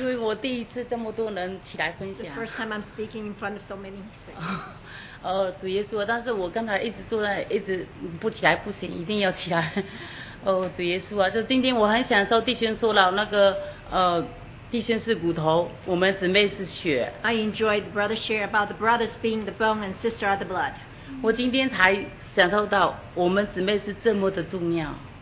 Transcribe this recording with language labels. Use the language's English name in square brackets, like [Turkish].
[Chinese] 因为我第一次这么多人起来分享。 [English] The first time I'm speaking in front of so many. [Chinese] 主耶稣, 但是我刚才一直坐在,一直不起来不行, 一定要起来。主耶稣啊, 就今天我很享受弟兄说了那个弟兄是骨头, 我们姊妹是血。 [English] I enjoyed the brother's share about the brothers being the bone and sister are the blood. [Chinese] 我今天才享受到我们姊妹是这么的重要。